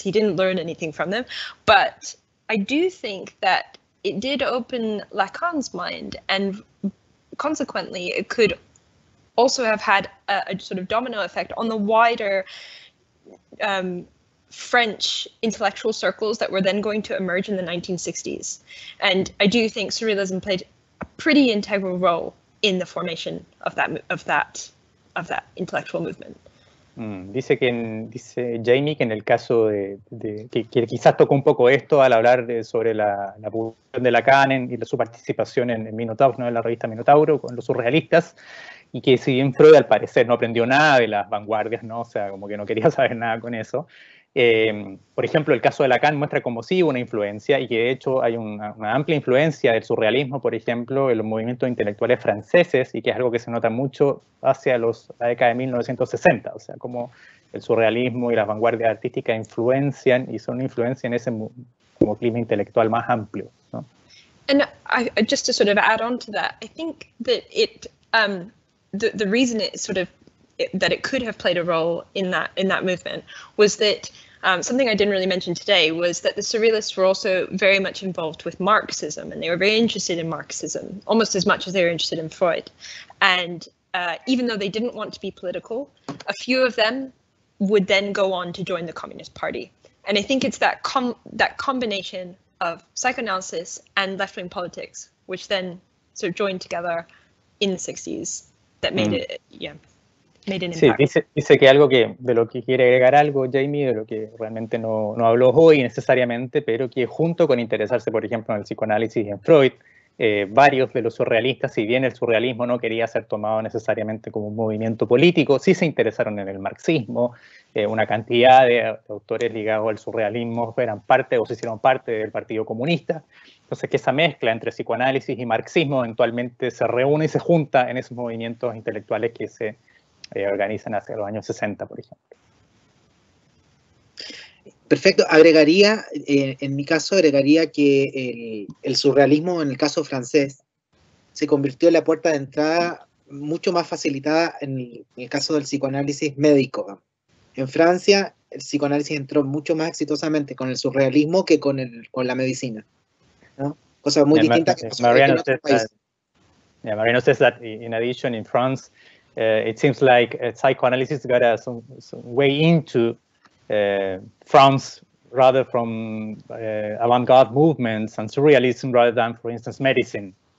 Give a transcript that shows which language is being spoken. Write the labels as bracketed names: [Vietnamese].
[English] He didn't learn anything from them. But I do think that it did open Lacan's mind, and consequently it could also have had a sort of domino effect on the wider French intellectual circles that were then going to emerge in the 1960s. And I do think surrealism played a pretty integral role in the formation of that intellectual movement. [Spanish] Dice que en, dice Jamie que en el caso de que quizás tocó un poco esto al hablar de, sobre la publicación de Lacan en, y la, su participación en Minotauro, ¿no? En la revista Minotauro con los surrealistas, y que si bien Freud al parecer no aprendió nada de las vanguardias, ¿no? O sea, como que no quería saber nada con eso. Por ejemplo, el caso de Lacan muestra como sí una influencia, y que de hecho hay una amplia influencia del surrealismo, por ejemplo, en los movimientos intelectuales franceses, y que es algo que se nota mucho hacia la década de 1960, o sea, cómo el surrealismo y las vanguardias artísticas influencian y son una influencia en ese como clima intelectual más amplio, ¿no? And just to sort of add on to that, I think that the reason it sort of that it could have played a role in that movement was that something I didn't really mention today was that the surrealists were also very much involved with Marxism, and they were very interested in Marxism almost as much as they were interested in Freud. And even though they didn't want to be political, a few of them would then go on to join the Communist Party. And I think it's that that combination of psychoanalysis and left-wing politics, which then sort of joined together in the 60s, that made it, yeah. Sí, dice que algo que de lo que quiere agregar algo, Jamie, de lo que realmente no habló hoy necesariamente, pero que junto con interesarse, por ejemplo, en el psicoanálisis y en Freud, varios de los surrealistas, si bien el surrealismo no quería ser tomado necesariamente como un movimiento político, sí se interesaron en el marxismo. Una cantidad de autores ligados al surrealismo eran parte o se hicieron parte del Partido Comunista. Entonces, que esa mezcla entre psicoanálisis y marxismo eventualmente se reúne y se junta en esos movimientos intelectuales que se organizan hacia los años 60, por ejemplo. Perfecto. Agregaría, en mi caso, agregaría que el surrealismo, en el caso francés, se convirtió en la puerta de entrada mucho más facilitada en el caso del psicoanálisis médico. En Francia, el psicoanálisis entró mucho más exitosamente con el surrealismo que con la medicina, ¿no? Cosa muy distinta Mariano que en otros países. [English] Yeah, Mariano says that, in addition, in France, it seems like psychoanalysis got some way into France rather from avant-garde movements and surrealism rather than, for instance, medicine.